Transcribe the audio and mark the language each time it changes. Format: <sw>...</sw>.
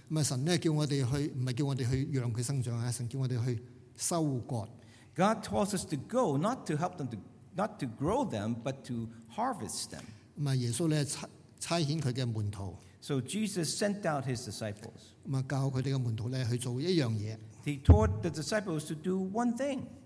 <zh>神呢, 叫我们去, 不是叫我们去让他生长, 神叫我们去收割。</zh> <en>God tells us to go, not to help them to, not to grow them, but to harvest them.</en> <zh>耶稣呢, 差遣他的门徒,</zh> <en>so Jesus sent out his disciples.</en> <zh>教他们的门徒呢, 去做一样嘢,</zh> <en>he taught the disciples to do one thing.</en>